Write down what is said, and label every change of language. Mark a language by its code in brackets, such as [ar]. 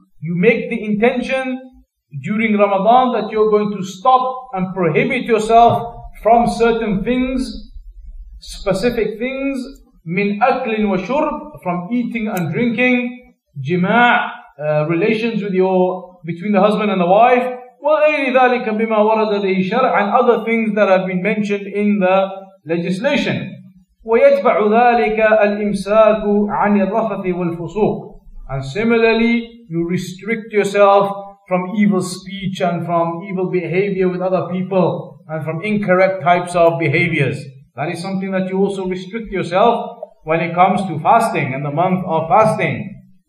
[en] You make the intention during Ramadan that you're going to stop and prohibit yourself from certain things, specific things, [ar] من أكل وشرب, [en] from eating and drinking, جماع, relations with your, between the husband and the wife, [ar] وغير ذلك بما ورد به شرع, [en] and other things that have been mentioned in the legislation. [ar] ويتبع ذلك الإمساك عن الرفث والفسوق. [en] And similarly, you restrict yourself from evil speech and from evil behavior with other people, and from incorrect types of behaviors. That is something that you also restrict yourself when it comes to fasting and the month of fasting.